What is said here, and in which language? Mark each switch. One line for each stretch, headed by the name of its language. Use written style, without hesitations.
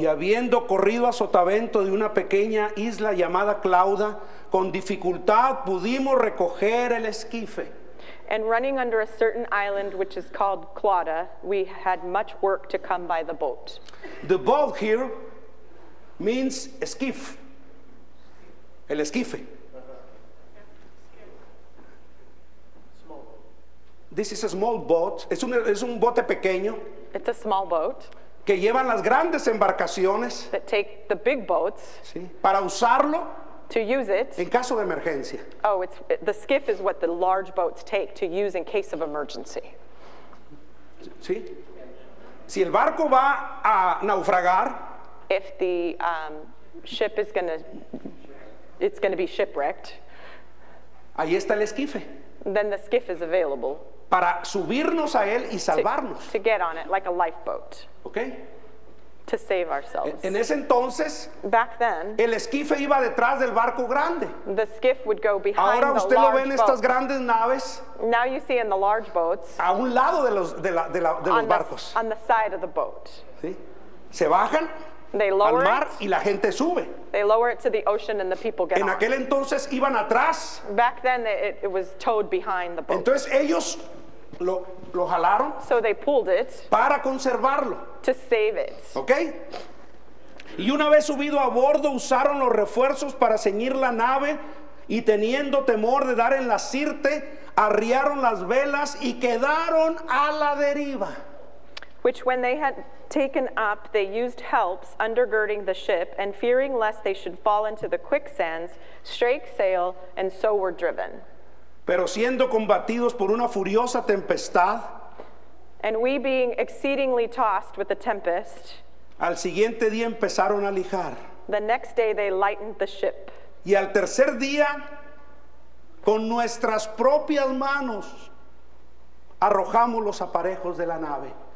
Spanish: Y habiendo corrido a sotavento de una pequeña isla llamada Clauda, con dificultad pudimos recoger el esquife.
English: And running under a certain island which is called Clauda, we had much work to come by the boat. The boat here means skiff.
Spanish: El esquife.
English: This is a small boat.
Spanish: Es un bote pequeño.
English: It's a small boat.
Spanish: Que llevan las grandes embarcaciones.
English: That take the big boats.
Spanish: Sí, para usarlo.
English: To use it.
Spanish: En caso de emergencia.
English: Oh, the skiff is what the large boats take to use in case of emergency.
Spanish: Sí. Si el barco va a naufragar.
English: If the ship is going to be shipwrecked.
Spanish: Ahí está el esquife.
English: Then the skiff is available.
Spanish: Para subirnos a él y salvarnos.
English: To get on it like a lifeboat. Okay. To save ourselves.
Spanish: En ese entonces,
English: back then,
Spanish: el esquife iba detrás del barco grande.
English: The skiff would go behind.
Spanish: Ahora usted
English: the
Spanish: lo ve en estas grandes naves.
English: Now you see in the large boats.
Spanish: A un lado de los barcos.
English: On the side of the boat.
Spanish: ¿Sí? Se bajan.
English: They lower
Spanish: al mar
English: it,
Spanish: y la gente sube.
English: They lower it to the ocean and the people get
Spanish: en aquel
English: on.
Spanish: Entonces iban atrás.
English: Back then it was towed behind the boat.
Spanish: Entonces ellos lo jalaron.
English: So they pulled it.
Spanish: Para conservarlo.
English: To save it. Okay.
Spanish: Y una vez subido a bordo usaron los refuerzos para ceñir la nave y teniendo temor de dar en la sirte arriaron las velas y quedaron a la deriva.
English: Which when they had taken up, they used helps, undergirding the ship, and fearing lest they should fall into the quicksands, strake sail, and so were driven.
Spanish: Pero siendo combatidos por una furiosa tempestad,
English: and we being exceedingly tossed with the tempest,
Spanish: al siguiente día empezaron a lijar.
English: The next day they lightened the ship.
Spanish: Y al tercer día, con nuestras propias manos, arrojamos los aparejos de la nave.